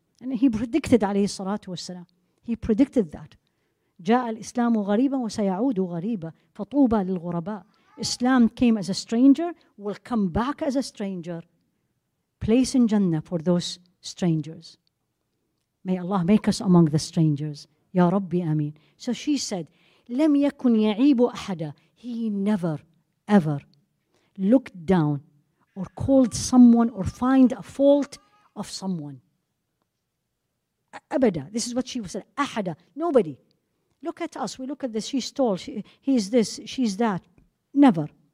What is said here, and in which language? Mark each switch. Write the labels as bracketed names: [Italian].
[English] And he predicted, alayhi salatu wasalam, he predicted that. [Arabic] جَاءَ الْإِسْلَامُ غَرِيبًا وَسَيَعُودُ غَرِيبًا فَطُوبَ لِلْغُرَبَاءِ. [English] Islam came as a stranger, will come back as a stranger. Place in Jannah for those strangers. May Allah make us among the strangers. Ya Rabbi, Ameen. So she said, [Arabic] لَمْ يَكُنْ يَعِيبُ أَحَدًا. [English] He never, ever looked down or called someone or find a fault of someone. [Arabic] أَبَدًا. [English] This is what she said. [Arabic] أَحَدًا. [English] Nobody. Look at us. We look at this. She's tall. He's this. She's that. Never.